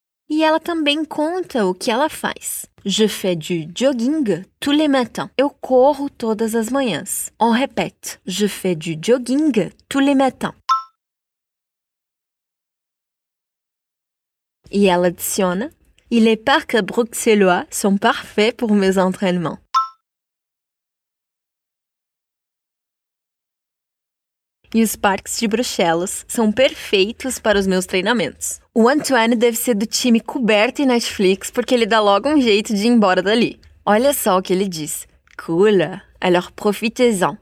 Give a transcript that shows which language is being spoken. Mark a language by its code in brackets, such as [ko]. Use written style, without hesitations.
[pt] E ela também conta o que ela faz. [fr] Je fais du jogging tous les matins. [pt] Eu corro todas as manhãs. [fr] On répète. Je fais du jogging tous les matins. [pt] E ela adiciona. [fr] E les parcs bruxellois sont parfaits pour mes entraînements. [pt] E os parques de Bruxelas são perfeitos para os meus treinamentos. O Antoine deve ser do time coberto em Netflix, porque ele dá logo um jeito de ir embora dali. Olha só o que ele diz. Cool. [fr] Alors profitez-en.